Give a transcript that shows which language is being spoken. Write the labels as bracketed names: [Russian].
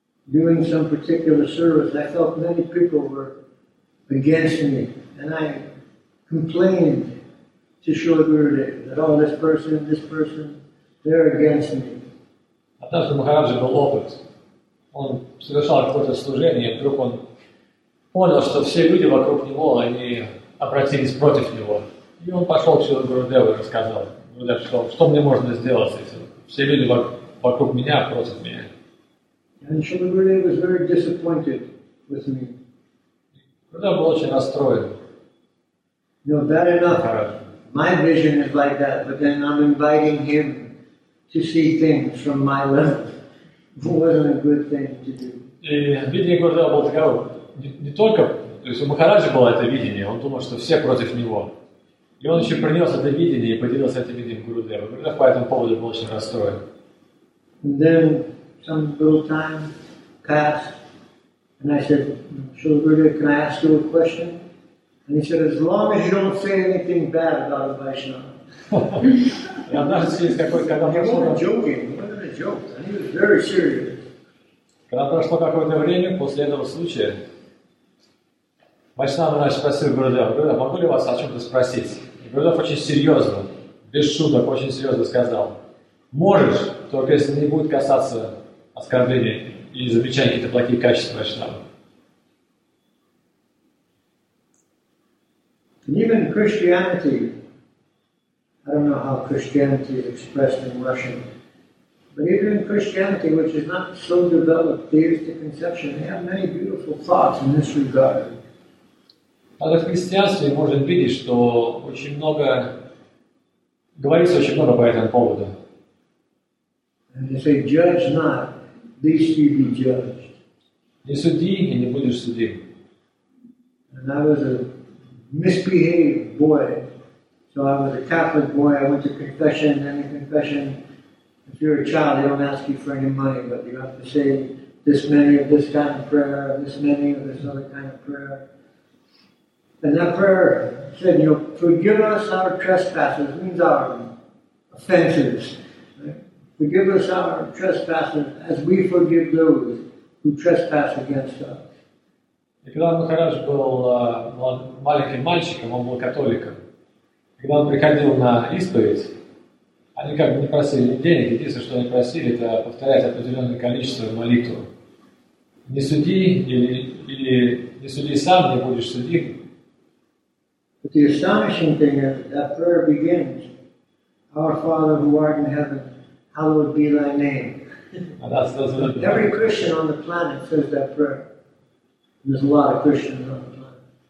[English] doing some particular service, I felt many people were against me, and I complained to Srila Gurudev that, oh, this person, they're against me. [Russian] Однажды Махараджа был опыт. Он совершал какое-то служение, и вдруг он понял, что все люди вокруг него, они обратились против него. И он пошел к Шрила Гурудеву и рассказал, что, что мне можно сделать с этим. Все люди вокруг меня, против меня. [English] And Shri Gurudev was very disappointed with me. [Russian] Гурудев был очень расстроен. [English] No, bad enough. My vision is like that, but then I'm inviting him to see things from my level. It wasn't a good thing to do. [Russian] И видение Гурудева было такое, не только, то есть у Махараджи было это видение, он думал, что все против него. И он еще принес это видение и поделился этим видением Гурудева. Гурудев по этому поводу был очень расстроен. [English] And then some little time passed, and I said, Srila Gurudev, can I ask you a question? And he said, as long as you don't say anything bad about a Vaishnava. He wasn't joking, he was very serious. [Russian] Когда прошло какое-то время после этого случая, Вайшнава начал спросить Гурудева, могу ли вас о чем-то спросить? Гурудев очень серьезно, без шуток, очень серьезно сказал, можешь, только если не будет касаться оскорбления или замечаний каких-то плохих качеств Вайшнава. [English] And even Christianity, I don't know how Christianity is expressed in Russian, but even in Christianity, which is not so developed, theistic conception, they have many beautiful thoughts in this regard. [Russian] Даже в христианстве можно видеть, что очень много говорится очень много по этому поводу. [English] And they say, judge not, lest you be judged. [Russian] Не суди, и не будешь судим. [English] And I was a misbehaved boy. So I was a Catholic boy, I went to confession, and in confession, if you're a child, they don't ask you for any money, but you have to say this many of this kind of prayer, this many of this other kind of prayer. And that prayer said, you know, forgive us our trespasses, means our offenses. Right? Forgive us our trespasses as we forgive those who trespass against us. [Russian] И когда Махарадж был маленьким мальчиком, он был католиком, когда он приходил на исповедь, они как бы не просили денег, единственное, что они просили, это повторять определенное количество молитв. Не суди, или не суди сам, не будешь судим. [English] But the astonishing thing is that prayer begins, Our Father who art in heaven, hallowed be thy name. Every Christian on the planet says that prayer. There's a lot of Christians on the planet.